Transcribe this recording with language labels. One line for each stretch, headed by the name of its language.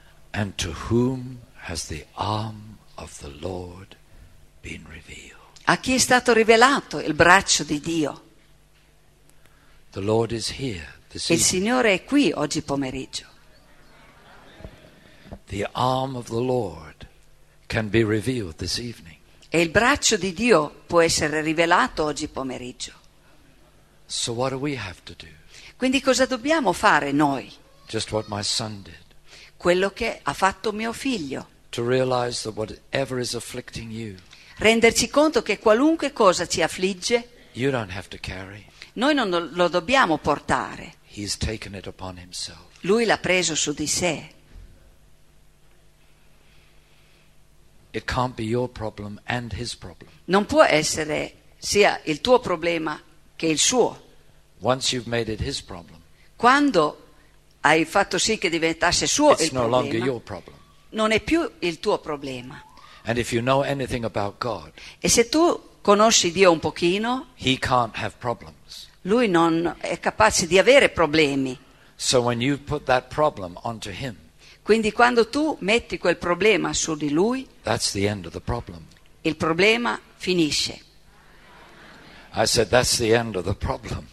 English: And to whom has the arm of the Lord been revealed?
Italian: A chi è stato rivelato il braccio di Dio?
English: The Lord is here this evening.
Italian: Il Signore è qui oggi pomeriggio.
English: The arm of the Lord can be revealed this evening.
Italian: E il braccio di Dio può essere rivelato oggi pomeriggio.
English: So what do we have to do?
Italian: Quindi cosa dobbiamo fare noi?
English: Just what my son did.
Italian: Quello che ha fatto mio figlio.
English: To realize that whatever is afflicting you.
Italian: Renderci conto che qualunque cosa ci affligge.
English: You don't have to carry.
Italian: Noi non lo dobbiamo portare.
English: He's taken it upon himself.
Italian: Lui l'ha preso su di sé.
English: It can't be your problem and his problem.
Italian: Non può essere sia il tuo problema che il suo.
English: Once you've made it his problem,
Italian: quando hai fatto sì che diventasse suo
English: it's
Italian: il
English: no
Italian: problema,
English: longer your problem.
Italian: Non è più il tuo problema.
English: And if you know anything about God,
Italian: e se tu conosci Dio un pochino,
English: he can't have problems.
Italian: Lui non è capace di avere problemi.
English: So when you put that problem onto him,
Italian: quindi quando tu metti quel problema su di lui,
English: that's the end of the problem.
Italian: Il problema finisce.
English: I said, that's the end of the problem.